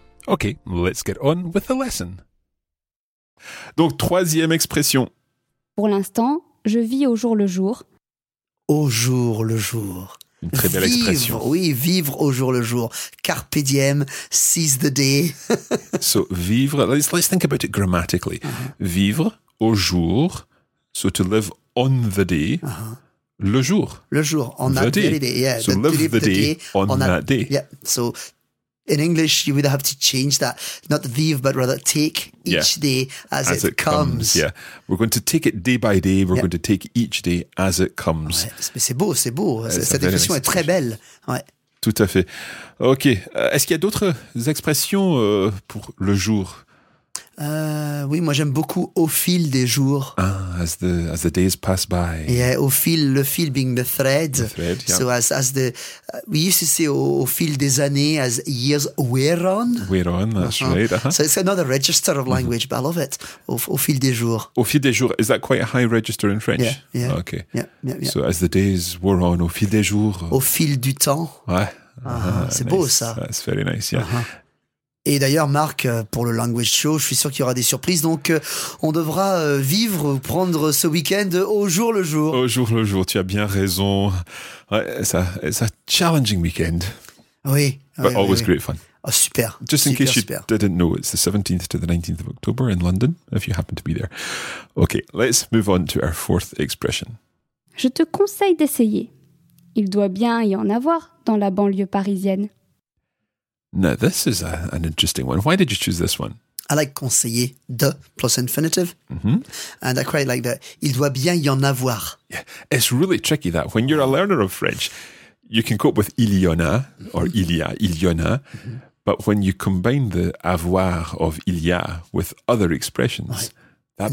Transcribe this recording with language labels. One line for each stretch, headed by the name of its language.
English: Okay, let's get on with the lesson.
French: Donc, troisième expression. Pour l'instant, je vis au jour le jour. Au jour le jour. Une très belle expression. Vivre, oui, vivre au jour le jour.
English: Carpe diem, seize the day. So, vivre, let's think about it grammatically. Uh-huh. Vivre au jour, so to live on the day, uh-huh. Le jour.
French: Le jour, on
English: the that day. Yeah, so, live the day on that day. Yeah, so... In English, you would have to change that, not vive, but rather take each day as it comes. Yeah, we're going to take it day by day. We're going to take each day as it comes.
French: Ouais. Mais c'est beau, c'est beau. Cette expression est très belle. Ouais. Tout à fait. Ok. Est-ce qu'il y a d'autres expressions pour le jour? Oui, moi j'aime beaucoup au fil des jours.
English: Ah, as the days pass by. Yeah, au fil, le fil being the thread. The thread, yeah. So as the, we used to say
French: au fil des années,
English: as years wear on. Wear on, that's right. Uh-huh. So it's another register of language, mm-hmm. but I love it.
French: Au fil des jours. Au fil des jours,
English: is that quite a high register in French? Yeah. Okay. Yeah. So as the days wore on,
French: au fil des jours. Au fil du temps. Ouais. Uh-huh. C'est beau ça.
English: That's very nice, yeah. Uh-huh.
French: Et d'ailleurs, Marc, pour le Language Show, je suis sûr qu'il y aura des surprises. Donc, on devra vivre, prendre ce week-end au jour le jour. Au jour le jour, tu as bien raison.
English: Ouais, it's a challenging weekend.
French: Oui.
English: But
French: oui,
English: always
French: oui.
English: Great fun. Oh, super. Just in
French: super,
English: case you
French: super.
English: Didn't know, it's the 17th to the 19th of October in London, if you happen to be there. Okay, let's move on to our fourth expression.
French: Je te conseille d'essayer. Il doit bien y en avoir dans la banlieue parisienne.
English: Now, this is an interesting one. Why did you choose this one? I like conseiller, de, plus infinitive. Mm-hmm. And I quite like that.
French: Il doit bien y en avoir.
English: Yeah. It's really tricky that when you're a learner of French, you can cope with
French: il y en a
English: or mm-hmm.
French: il y a, il y en a.
English: Mm-hmm. But when you combine the avoir of il y a with other expressions, right. That